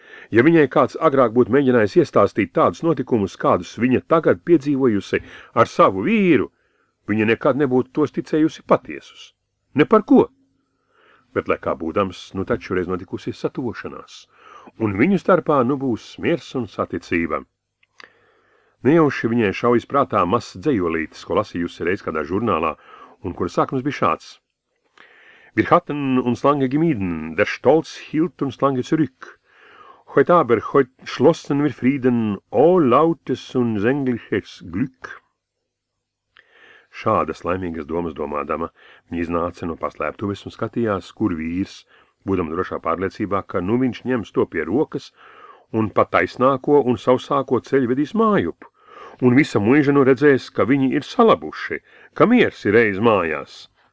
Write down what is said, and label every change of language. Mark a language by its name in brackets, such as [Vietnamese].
[Latvian] Ja viņai kāds agrāk būtu mēģinājis iestāstīt tādus notikumus, kādus viņa tagad piedzīvojusi ar savu vīru, viņa nekad nebūtu tos ticējusi patiesus. Ne par ko. Bet, lai kā būdams, nu taču reiz notikusi satošanās, un viņu starpā nu būs smiers un saticība. Nejauši viņai šaujas prātā mas dzejolītis, ko lasījusi reiz kādā žurnālā, un kur sākums bija šāds. [German] Wir hatten uns lange gemieden, der Stolz hielt uns lange zurück. Heute aber, heute schlossen wir Frieden, o lautes un sängliches Glück. [Latvian] Šādas laimīgas domas domādama, viņa iznāca no paslēptuves un skatījās, kur vīrs, būdama drošā pārliecībā, ka nu viņš ņems to pie rokas un pat taisnāko un sausāko ceļu vedīs mājup. Un visa muiža nu redzēs, ka viņi ir salabuši, ka miers ir reiz mājās.